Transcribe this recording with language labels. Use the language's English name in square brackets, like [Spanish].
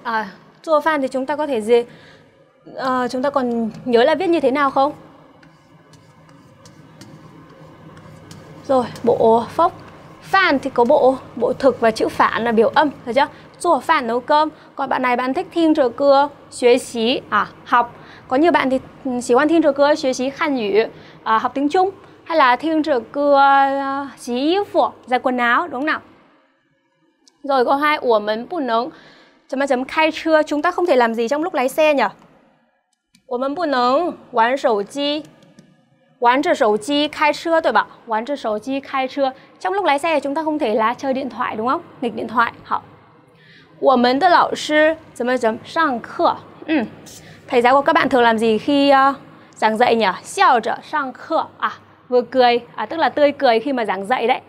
[Vietnamese] À, [Chinese] 做饭 [Vietnamese] thì chúng ta có thể gì? À, chúng ta còn nhớ là viết như thế nào không? Rồi, bộ phốc. Fan thì có bộ thực và chữ phản là biểu âm, được chưa? [Chinese] 做饭 [Vietnamese] nấu cơm. Còn bạn này bạn thích [Chinese] 听着歌学习. [Vietnamese] À, học. Có nhiều bạn thì [Chinese] 喜欢听着歌学习 汉语. [Vietnamese] À, học tiếng Trung. Hay là [Chinese] 听着歌洗衣服, [Vietnamese] giặt quần áo, đúng không nào? Rồi câu 2, [Chinese] 我们不能 [Vietnamese] chấm khai车, chúng ta không thể làm gì trong lúc lái xe nhỉ? [Chinese] 我们不能玩手机, 玩着手机开车, đúng không? 玩着手机开车, [Vietnamese] trong lúc lái xe chúng ta không thể là chơi điện thoại, đúng không? Nghịch điện thoại, hả? [Chinese] 我们的老师, 怎么上课? [Vietnamese] Thầy giáo của các bạn thường làm gì khi giảng dạy nhỉ? [Chinese] 笑着上课, à? [Vietnamese] Vừa cười, à, tức là tươi cười khi mà giảng dạy đấy.